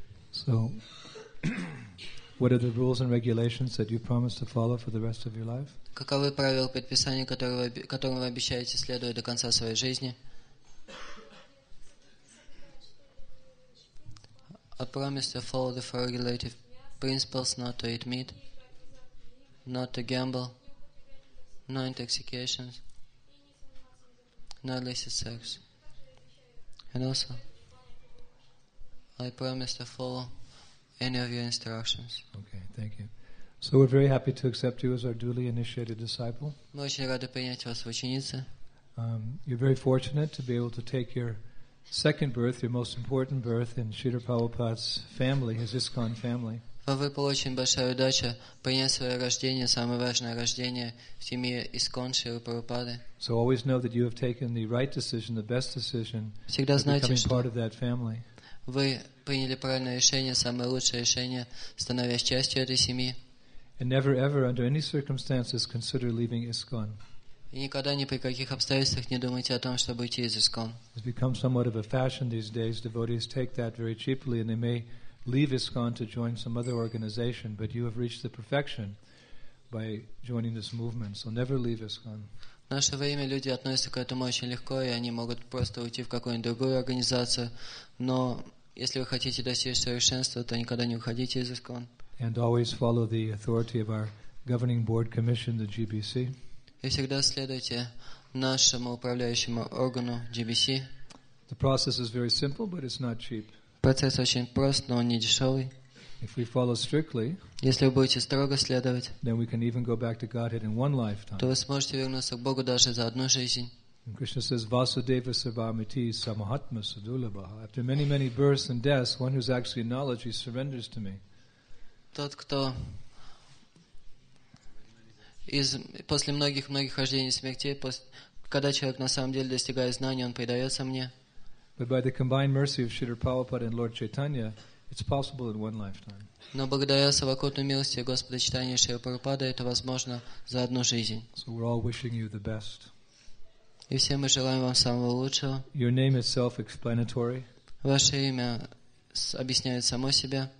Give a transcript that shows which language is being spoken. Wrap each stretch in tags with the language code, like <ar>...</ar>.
<en>So, what are the rules and regulations that you promise to follow for the rest of your life?</en> <ru>Каковы правила предписания, которым вы обещаете следовать до конца своей жизни?</ru> <en>I promise to follow the four regulative principles: not to eat meat, not to gamble, no intoxications, no illicit sex, and also I promise to follow any of your instructions. Okay, thank you. So we're very happy to accept you as our duly initiated disciple.</en> <ru>Мы очень рады принять вас в ученицы.</ru> <en>You're very fortunate to be able to take your second birth, your most important birth in Srila Prabhupada's family, his ISKCON family.</en> <ru>Вам выпала очень большая удача принять свое рождение, самое важное рождение в семье ISKCON Шрилы Прабхупады.</ru> <en>So always know that you have taken the right decision, the best decision,</en> <ru>всегда знайте,</ru> <en>becoming part of that family.</en> <ru>Вы приняли правильное решение, самое лучшее решение, становясь частью этой семьи.</ru> <en>And never ever under any circumstances consider leaving ISKCON.</en> <ru>И никогда ни при каких обстоятельствах не думайте о том, чтобы уйти из ISKCON.</ru> <en>It's become somewhat of a fashion these days. Devotees take that very cheaply and they may leave ISKCON to join some other organization, but you have reached the perfection by joining this movement, so never leave ISKCON.</en> <ru>В наше время люди относятся к этому очень легко, и они могут просто уйти в какую-нибудь другую организацию, но если вы хотите достичь совершенства, то никогда не уходите из ISKCON.</ru> <en>And always follow the authority of our governing board commission, the GBC.</en> <ru>И всегда следуйте нашему управляющему органу GBC.</ru> <en>The process is very simple, but it's not cheap.</en> <ru>Процесс очень прост, но он не дешевый.</ru> <en>If we follow strictly,</en> <ru>если вы будете строго следовать,</ru> <en>then we can even go back to Godhead in one lifetime.</en> <ru>То вы сможете вернуться к Богу даже за одну жизнь.</ru> <en>And Krishna says,</en> <sa>Vasudeva Sarvamiti Samahatma Sadulabha.</sa> <en>After many, many births and deaths, one who's actually acknowledged, he surrenders to me.</en> <ru>Тот, кто после многих-многих рождений и смертей, когда человек на самом деле достигает знания, он предается мне.</ru> <en>But by the combined mercy of Śrīla Prabhupāda and Lord Chaitanya, it's possible in one lifetime.</en> <ru>Но благодаря совокупной милости Господа Чайтаньи и Шрилы Прабхупады это возможно за одну жизнь.</ru> <en>So we're all wishing you the best.</en> <ru>И все мы желаем вам самого лучшего.</ru> <en>Your name is self-explanatory.</en> <ru>Ваше имя объясняет само себя.</ru>